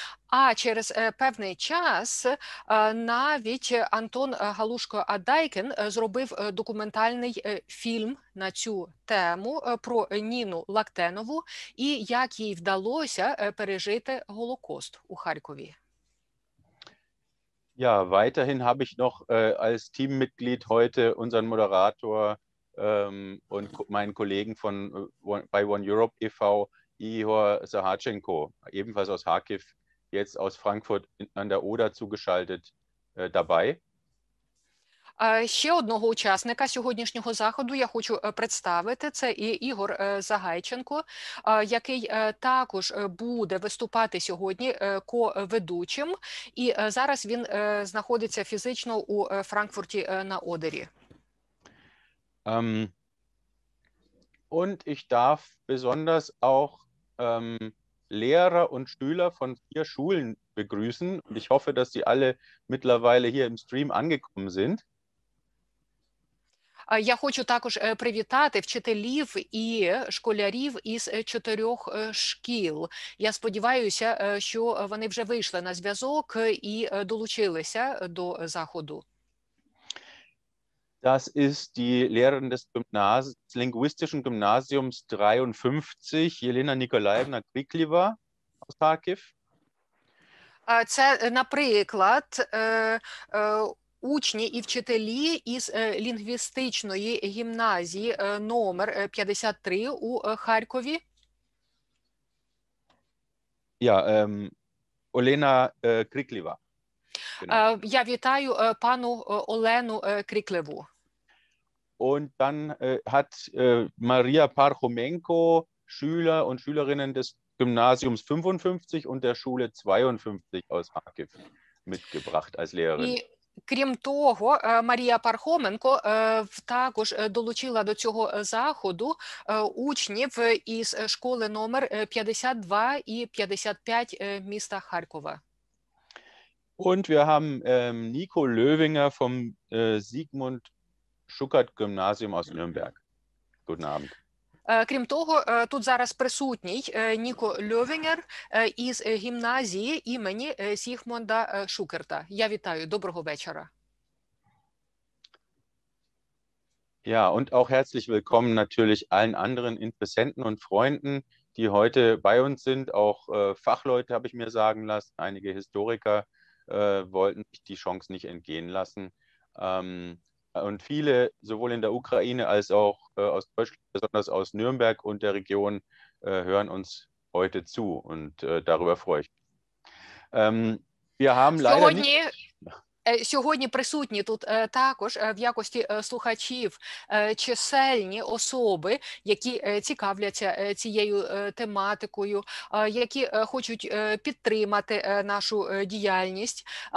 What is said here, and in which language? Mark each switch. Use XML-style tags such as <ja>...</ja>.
<uk>А через певний час навіть Антон Галушко Адайкін зробив документальний фільм на цю тему про Ніну Лактенову і як їй вдалося пережити Голокост у Харкові.</uk> <de>Ja, weiterhin habe ich noch als Teammitglied heute unseren Moderator und meinen Kollegen von bei One Europe e.V. Ihor Sahatschenko, ebenfalls aus Kharkiv, jetzt aus Frankfurt an der Oder zugeschaltet, dabei.</de> <uk>Ще одного учасника сьогоднішнього заходу я хочу представити. Це Ігор Загайченко, який також буде виступати сьогодні ко-ведучим. І зараз він знаходиться фізично у Франкфурті на Одері.</uk> <de>Und ich darf besonders auch Lehrer und Schüler von 4 Schulen begrüßen. Und ich hoffe, dass sie alle mittlerweile hier im Stream angekommen sind.</de> <uk>Я хочу також привітати вчителів і школярів із 4 шкіл. Я сподіваюся, що вони вже вийшли на зв'язок і долучилися до заходу.</uk> <de>Das ist die Lehrerin des Linguistischen Gymnasiums 53, Jelena Nikolaevna Krikliva aus Kharkiv.</de> <uk>Це, наприклад, учні і вчителі із лінгвістичної гімназії номер 53 у Харкові. Ja, Олена Крикліва. Я вітаю пану Олену Крикліву.</uk> <de>Und dann hat Maria Parchomenko Schüler und Schülerinnen des Gymnasiums 55 und der Schule 52 aus Kharkiv mitgebracht als Lehrerin.</de> <uk>Крім того, Марія Пархоменко також долучила до цього заходу учнів із школи номер 52 і 55 міста Харкова.</uk> <de>Und wir haben Nico Löwinger vom Sigmund Schuckert Gymnasium aus Nürnberg. Guten Abend.</de> <uk>Крім того, тут зараз присутній Ніко Льовінгер із гімназії імені Сігмунда Шукерта. Я вітаю, доброго вечора.</uk> <de>Ja, und auch herzlich willkommen natürlich allen anderen Interessenten und Freunden, die heute bei uns sind. Auch Fachleute habe ich mir sagen lassen, einige Historiker wollten sich die Chance nicht entgehen lassen. Und viele, sowohl in der Ukraine als auch aus Deutschland, besonders aus Nürnberg und der Region, hören uns heute zu. Und darüber freue ich mich. Wir haben leider nicht...</de> <uk>Сьогодні присутні тут також в якості слухачів чисельні особи, які цікавляться цією тематикою, які хочуть підтримати нашу діяльність.</uk>